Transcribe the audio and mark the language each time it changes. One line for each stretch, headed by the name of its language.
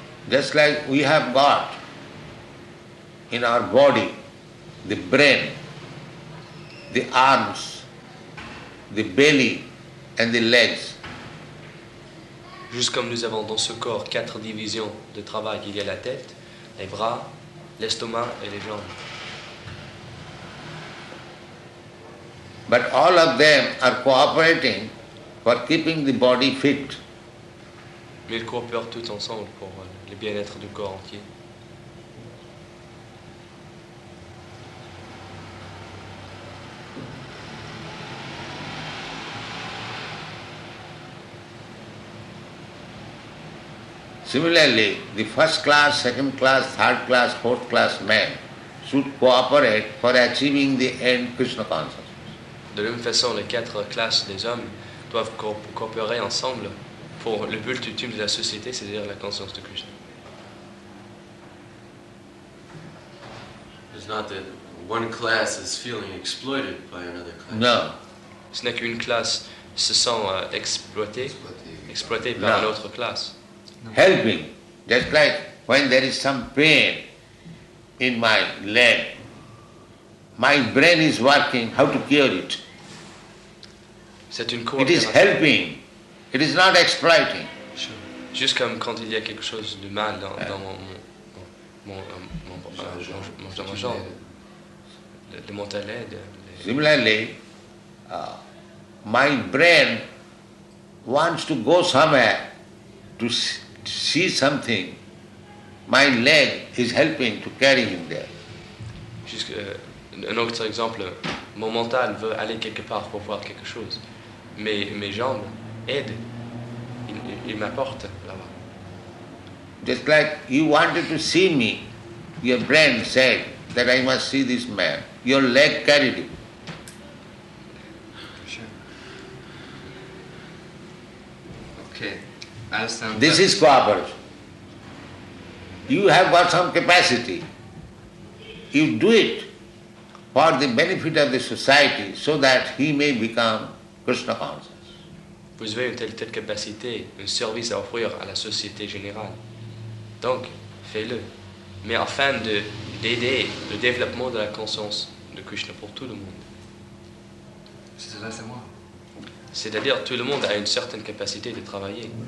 English: Just like we have got in our body the brain, the arms, the belly and the legs.
French: Juste comme nous avons dans ce corps quatre divisions de travail, il y a la tête, les bras, l'estomac et les jambes.
English: But all of them are cooperating for keeping the body fit.
French: Mais ils coopèrent tous ensemble pour le bien-être du corps entier.
English: Similarly, the first class, second class, third class, fourth class men should cooperate for achieving the end Krishna consciousness.
French: De la même façon, les quatre classes des hommes doivent coopérer ensemble pour le but ultime de la société, c'est-à-dire la conscience de Krishna.
English: It's not that one class is feeling exploited by another class. No.
French: Ce n'est qu'une classe se sent exploitée par une autre classe.
English: No. Helping. Just like when there is some pain in my leg, my brain is working, how to cure it.
French: C'est une
English: coopération. It is helping. It is not exploiting. Sure.
French: Juste comme quand il y a quelque chose de mal dans mon jambe, le mental aide.
English: Similarly, my brain wants to go somewhere to see something. My leg is helping to carry him there.
French: Juste un autre exemple, mon mental veut aller quelque part pour voir quelque chose. Mes jambes aident, ils m'apportent là-bas.
English: Just like you wanted to see me, your brain said that I must see this man. Your leg carried him. Sure. Okay, I understand. This is cooperation. You have got some capacity. You do it for the benefit of the society so that he may become Krishna conscious.
French: Vous avez une telle capacité, un service à offrir à la société générale. Donc, fais-le. Mais afin d'aider le développement de la conscience de Krishna pour tout le monde. C'est moi. C'est-à-dire, tout le monde a une certaine capacité de travailler.